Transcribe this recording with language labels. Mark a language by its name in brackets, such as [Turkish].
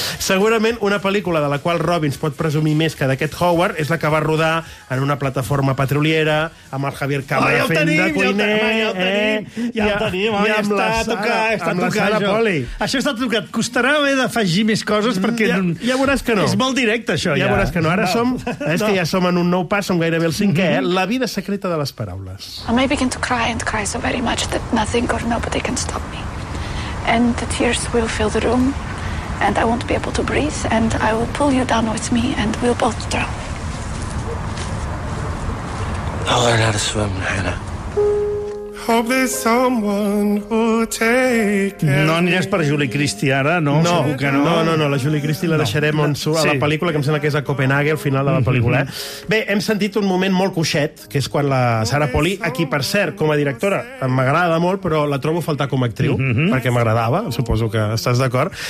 [Catalan] Segurament una pel·lícula de la qual Robbins pot presumir més que d'aquest Howard és la que va rodar en una plataforma petroliera amb el Javier Cámara fent de cuiner. Ja el tenim, està tocat. Això està tocat. Costarà haver d'afegir més coses perquè... Ja veuràs que no. És molt directe, això, ja. Ja veuràs que no. Ara som en un nou pas, som gairebé el cinquè, eh? La vida secreta de les paraules. [English] I may begin to cry and cry so very much that nothing or nobody can stop me. And the tears will fill the room and I won't be able to breathe and I will pull you down with me and we'll both drown. I'll learn how to swim, Hannah. Hope there's someone who take [Catalan] it. No aniràs per Julie Christie ara, no? No, no. La Julie Christie la deixarem a la pel·lícula, que em sembla que és a Copenhague, al final de la pel·lícula. Bé, hem sentit un moment molt coixet, que és quan la Sarah Polley, a qui, per cert, com a directora, m'agrada molt, però la trobo a faltar com a actriu, perquè m'agradava, suposo que estàs d'acord.